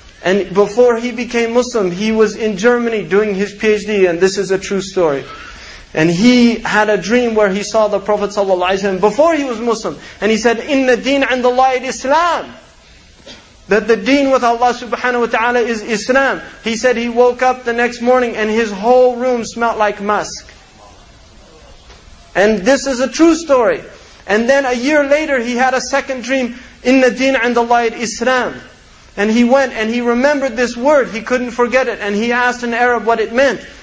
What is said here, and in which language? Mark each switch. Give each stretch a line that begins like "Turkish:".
English: And before he became Muslim, he was in Germany doing his PhD. And this is a true story. And he had a dream where he saw the Prophet ﷺ before he was Muslim.
Arabic: And he said, إِنَّ الدِّينَ عِنْدَ اللَّهِ الْإِسْلَامِ.
English: That the deen with Allah subhanahu wa ta'ala is Islam. He said he woke up the next morning and his whole room smelt like musk. And this is a true story. And then a year later he had a second dream, إِنَّ الدِّينَ عِنْدَ اللَّهِ الْإِسْلَامِ. And he went and he remembered this word, he couldn't forget it. And he asked an Arab what it meant.